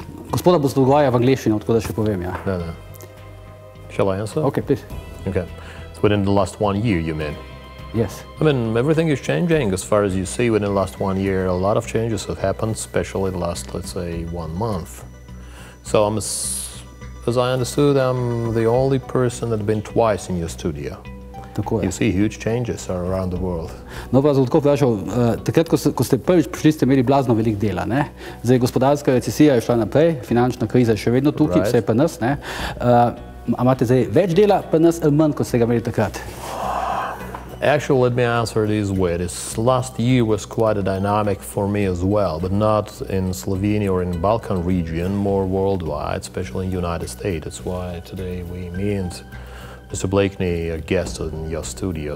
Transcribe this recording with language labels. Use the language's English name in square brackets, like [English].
[Slovenian] Gospoda boste odgovarjali v angleščini, tako da še povem, ja. [English] No, no. Shall I answer? Okay, please. Okay. So within the last 1 year, you mean? Yes. I mean, everything is changing. As far as you see, within the last 1 year, a lot of changes have happened, especially the last, let's say, 1 month. So I'm, as I understood, I'm the only person that's been twice in your studio. You see huge changes are around the world. [Slovenian] No, pa zato vprašal, takrat, ko ste prvič prišli, ste imeli blazno veliko dela, ne? Zdaj, gospodarska recesija je šla naprej, finančna kriza je še vedno tukaj, vse je pri nas, ne? A imate zdaj več dela pri nas ali manj, kot ste ga imeli takrat? [English] Actually, let me answer this way. This last year was quite a dynamic for me as well, but not in Slovenia or in Balkan region, more worldwide, especially in United States. That's why today we meet Mr. Blakeney, a guest in your studio.